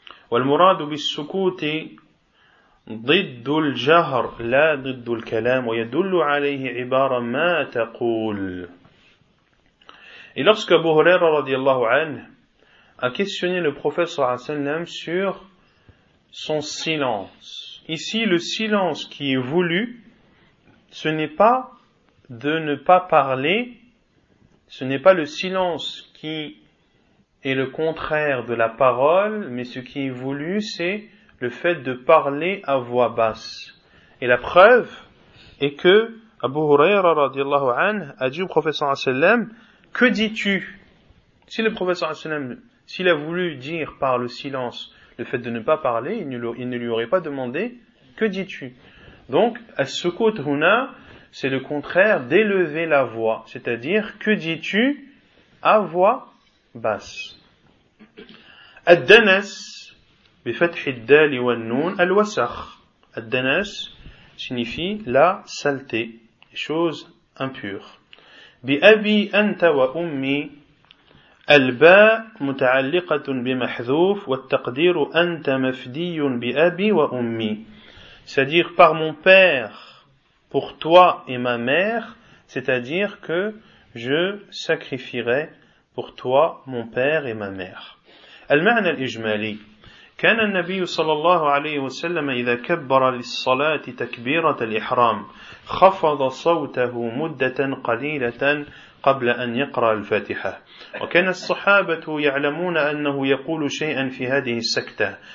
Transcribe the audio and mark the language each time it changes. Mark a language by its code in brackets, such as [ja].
[ar] والمراد بالسكوت ضد الجهر لا ضد الكلام ويدل عليه عبارة ما تقول. [fr] Et lorsque Abu Huraira radiallahu anhu a questionné le prophète sallallahu alayhi wa sallam sur son silence. Ici, le silence qui est voulu, ce n'est pas de ne pas parler, ce n'est pas le silence qui est le contraire de la parole, mais ce qui est voulu, c'est le fait de parler à voix basse. Et la preuve est que Abu Huraira radiallahu anhu a dit au prophète sallallahu alayhi wa sallam, que dis-tu? Si le prophète sallallahu alayhi wa sallam, s'il a voulu dire par le silence le fait de ne pas parler, il ne lui aurait pas demandé, que dis-tu? Donc, [ar] as-sukut huna, [fr] c'est le contraire d'élever la voix, c'est-à-dire, que dis-tu à voix basse. [ar] الدنس بفتح الدال والنون الوسخ. [fr] الدنس signifie la saleté, chose impure. [ar] بأبي أنت وأمي الباء متعلقة بمحذوف والتقدير أنت مفدي بأبي وأمي. [fr] C'est-à-dire par mon père, pour toi et ma mère, c'est-à-dire que je sacrifierai pour toi, mon père et ma mère. [ar] المعنى الإجمالي. كان النبي صلى الله عليه وسلم إذا كبر للصلاة تكبيرة الإحرام خفض صوته مدة قليلة قبل أن يقرأ الفاتحة. وكان الصحابة يعلمون أنه يقول شيئا في هذه السكتة.